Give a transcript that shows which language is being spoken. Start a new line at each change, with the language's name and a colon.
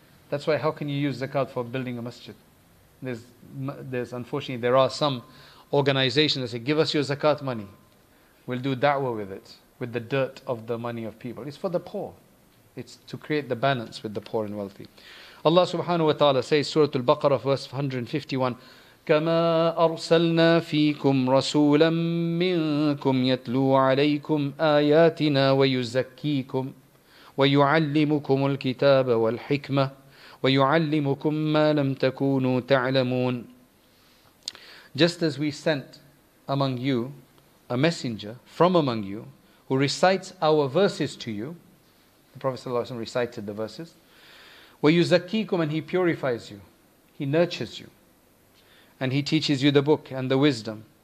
English: That's why, how can you use zakat for building a masjid? There's unfortunately, there are some organizations that say, give us your zakat money, we'll do da'wah with it, with the dirt of the money of people. It's for the poor. It's to create the balance with the poor and wealthy.
Arabic: Allah subhanahu wa ta'ala says, Surah Al-Baqarah, verse 151, كَمَا أَرْسَلْنَا فِيكُمْ رَسُولًا مِّنْكُمْ يَتْلُوا عَلَيْكُمْ آيَاتِنَا وَيُزَكِّيكُمْ وَيُعَلِّمُكُمُ الْكِتَابَ وَالْحِكْمَةَ وَيُعَلِّمُكُمْ مَا لَمْ تَكُونُوا تَعْلَمُونَ.
English: Just as we sent among you a messenger from among you who recites our verses to you, the Prophet ﷺ recited the verses, وَيُزَكِّيكُمْ, and he purifies you, he nurtures you, and he teaches you the book and the wisdom,